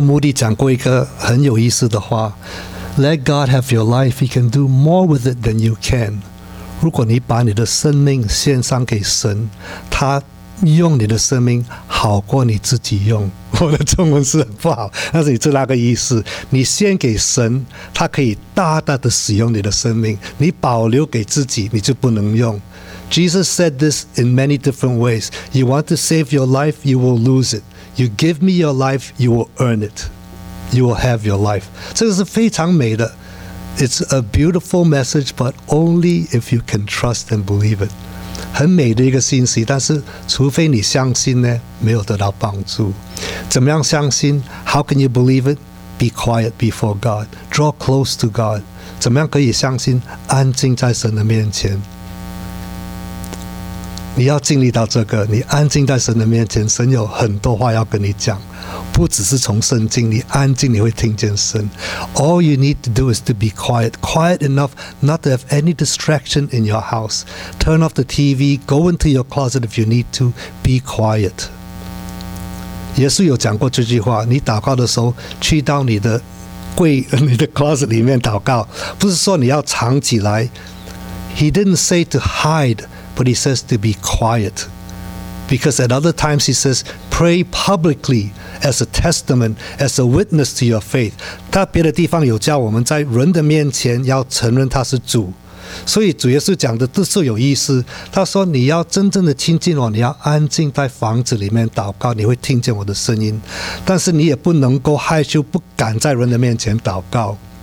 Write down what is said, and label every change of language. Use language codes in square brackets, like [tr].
[en] Moody [zh] 讲过一个很有意思的话， [en] Let God have your life, He can do more with it than you can. [zh] 如果你把你的生命献上给神，他用你的生命好过你自己用。我的中文是很不好，但是你知道那个意思，你献给神，他可以大大的使用你的生命，你保留给自己，你就不能用。 [en] Jesus said this in many different ways. You want to save your life, you will lose it. You give me your life, you will earn it. You will have your life. [zh] 这个是非常美的。 [en] It's a beautiful message, but only if you can trust and believe it. [zh] 很美的一个信息，但是除非你相信呢，没有得到帮助。怎么样相信？ [en] How can you believe it? Be quiet before God. Draw close to God. [zh] 怎么样可以相信？安静在神的面前。你要经历到这个，你安静在神的面前，神有很多话要跟你讲，不只是从圣经，你安静你会听见神。 [en] All you need to do is to be quiet, quiet enough not to have any distraction in your house. Turn off the TV, go into your closet if you need to, be quiet. [zh] 耶稣有讲过这句话，你祷告的时候去到你的柜，你的 closet 里面祷告，不是说你要藏起来。 [en] He didn't say to hide, but he says to be quiet. Because at other times he says, pray publicly as a testament, as a witness to your faith. [zh] 他别的地方有教我们在人的面前要承认他是主。所以主耶稣讲的都是有意思。他说你要真正的亲近我，你要安静在房子里面祷告，你会听见我的声音。但是你也不能够害羞，不敢在人的面前祷告。